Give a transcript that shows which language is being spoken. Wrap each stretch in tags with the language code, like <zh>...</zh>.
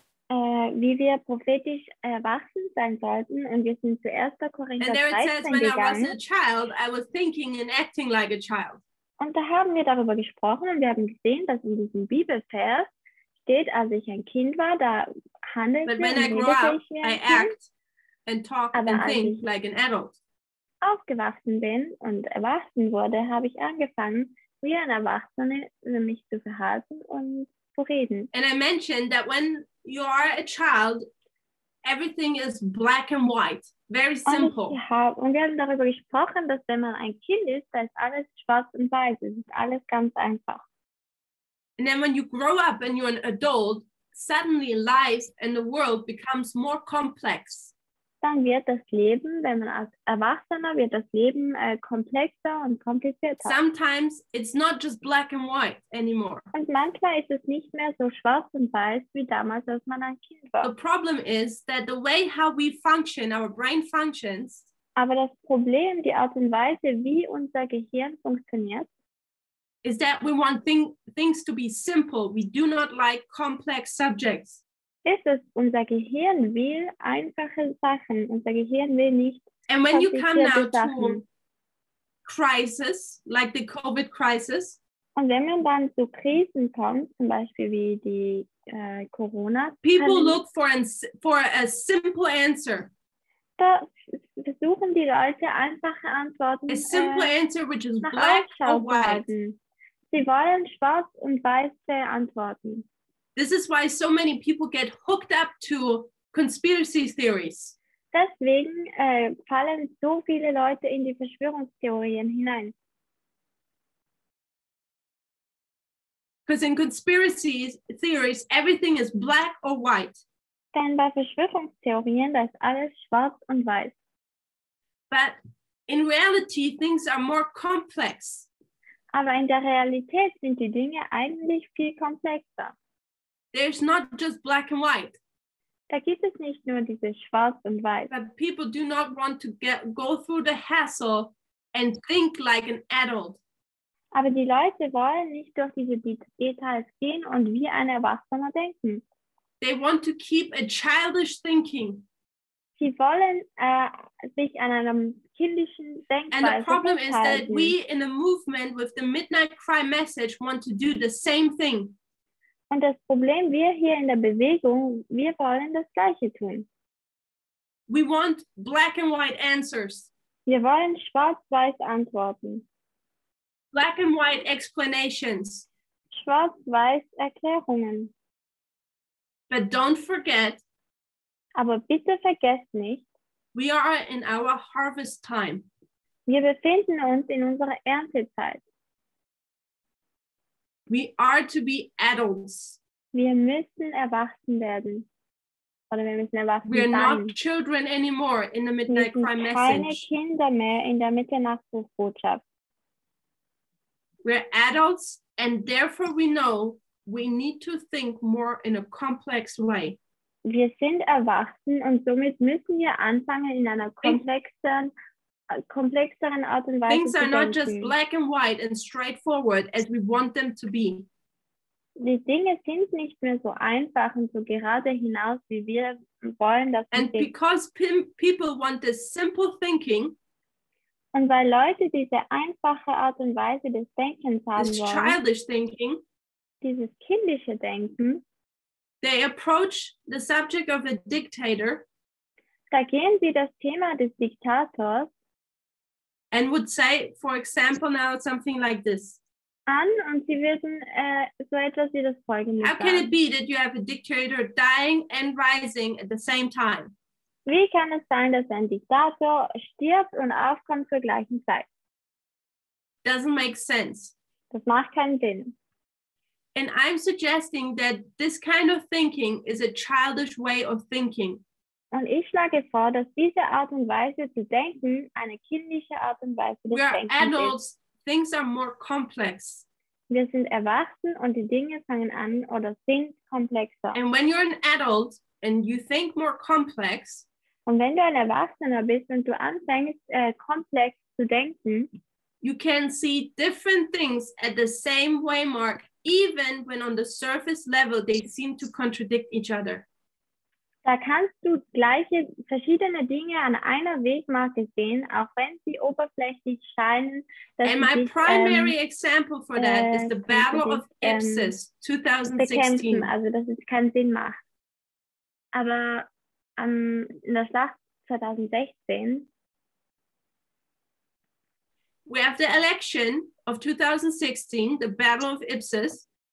<de>Wie wir prophetisch erwachsen sein sollten und wir sind zu 1. Korinther 13 gegangen.</de> <en>And there it says, when I was a child, I was thinking and acting like a child.</en> <de>Und da haben wir darüber gesprochen und wir haben gesehen, dass in diesem Bibelvers steht, als ich ein Kind war, da handelte ich wie ein Kind.</de> <en>But when I grew up, I act and talk and think like an adult.</en> <de>Aufgewachsen bin und erwachsen wurde, habe ich angefangen, wie ein Erwachsener mich zu verhalten und zu reden.</de> <en>And I mentioned that when you are a child, everything is black and white, very simple.</en> <de>Und wir haben darüber gesprochen, dass wenn man ein Kind ist, da ist alles schwarz und weiß, es ist alles ganz einfach.</de> <en>And then when you grow up and you're an adult, suddenly life and the world becomes more complex.</en> <de>Dann wird das Leben, wenn man als Erwachsener wird, das Leben komplexer und komplizierter.</de> <en>Sometimes it's not just black and white anymore.</en> <de>Und manchmal ist es nicht mehr so schwarz und weiß wie damals, als man ein Kind war.</de> <en>The problem is that the way how we function, our brain functions.</en> <de>Aber das Problem, die Art und Weise, wie unser Gehirn funktioniert,</de> <en>is that we want things to be simple. We do not like complex subjects.</en> <de>Ist es, unser Gehirn will einfache Sachen. Unser Gehirn will nicht</de> <en>and when you come now</en> <de>Sachen.</de> <en>To crisis, like the COVID crisis.</en> <de>Und wenn man dann zu Krisen kommt, zum Beispiel wie die Corona.</de> <en>People look for a simple answer.</en> <de>Da versuchen die Leute einfache Antworten.</de> <en>A simple answer, which is black or white.</en> <de>Sie wollen schwarz und weiße Antworten.</de> <en>This is why so many people get hooked up to conspiracy theories.</en> <de>Deswegen fallen so viele Leute in die Verschwörungstheorien hinein.</de> <en>Because in conspiracy theories, everything is black or white.</en> <de>Denn bei Verschwörungstheorien, da ist alles schwarz und weiß.</de> <en>But in reality, things are more complex.</en> <de>Aber in der Realität sind die Dinge eigentlich viel komplexer.</de> <en>There's not just black and white.</en> <de>Da gibt es nicht nur diese Schwarz und Weiß.</de> <en>But people do not want to go through the hassle and think like an adult.</en> <de>Aber die Leute wollen nicht durch diese Details gehen und wie ein Erwachsener denken.</de> <en>They want to keep a childish thinking.</en> <de>Sie wollen sich an einem kindischen Denkweise festhalten.</de> <en>And the problem is that we in a movement with the Midnight Cry message want to do the same thing.</en> <de>Und das Problem, wir hier in der Bewegung, wir wollen das Gleiche tun.</de> <en>We want black and white answers.</en> <de>Wir wollen schwarz-weiß Antworten.</de> <en>Black and white explanations.</en> <de>Schwarz-weiß Erklärungen.</de> <en>But don't forget.</en> <de>Aber bitte vergesst nicht.</de> <en>We are in our harvest time.</en> <de>Wir befinden uns in unserer Erntezeit.</de> <en>We are to be adults.</en> <de>Wir müssen erwachsen werden. Oder wir müssen erwachsen</de> <en>We are not children anymore in the Midnight Cry message.</en> <de>Wir sind keine Kinder mehr in der Mitternachtsbotschaft.</de> <en>We're adults and therefore we know we need to think more in a complex way.</en> <de>Wir sind erwachsen und somit müssen wir anfangen in einer komplexeren Art und Weise.</de> <en>Things are not just black and white and straightforward as we want them to be.</en> <de>Die Dinge sind nicht mehr so einfach und so gerade hinaus, wie wir wollen, dass</de> <en>And</en> <de>sie</de> <en>because</en> <de>sind.</de> <en>People want this simple thinking,</en> <de>und weil Leute diese einfache Art und Weise des Denkens haben</de> <en>this</en> <de>wollen,</de> <en>childish thinking,</en> <de>dieses kindliche Denken,</de> <en>they approach the subject of a dictator,</en> <de>da gehen sie das Thema des Diktators</de> <en>and would say, for example, now something like this.</en> <de>An und sie würden so etwas wie das Folgende</de> <en>How can it be that you have a dictator dying and rising at the same time?</en> <de>Wie kann es sein, dass ein Diktator stirbt und aufkommt zur gleichen Zeit?</de> <en>Doesn't make sense.</en> <de>Das macht keinen Sinn.</de> <en>And I'm suggesting that this kind of thinking is a childish way of thinking.</en> <de>Und ich schlage vor, dass diese Art und Weise zu denken eine kindliche Art und Weise des Denkens ist.</de> <en>We are adults, things are more complex.</en> <de>Wir sind erwachsen und die Dinge fangen an oder sind komplexer.</de> <en>And when you're an adult and you think more complex,</en> <de>und wenn du ein Erwachsener bist und du anfängst, komplex zu denken,</de> <en>you can see different things at the same way mark, even when on the surface level they seem to contradict each other.</en> <de>Da kannst du gleiche, verschiedene Dinge an einer Wegmarke sehen, auch wenn sie oberflächlich scheinen.</de> <en>And my primary example for that is the Battle of Ipsus 2016.</en> <de>Also, dass es keinen Sinn macht. Aber in der Schlacht 2016.</de> <en>We have the election of 2016, the Battle of Ipsus.</en>